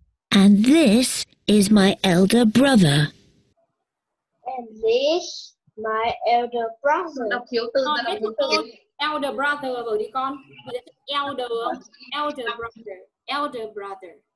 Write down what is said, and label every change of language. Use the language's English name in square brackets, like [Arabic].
[English] And this is my elder brother. And this my elder brother. [Vietnamese] Đọc thiếu từ con, biết từ elder brother vào đi con. [English] Elder, elder brother, elder brother,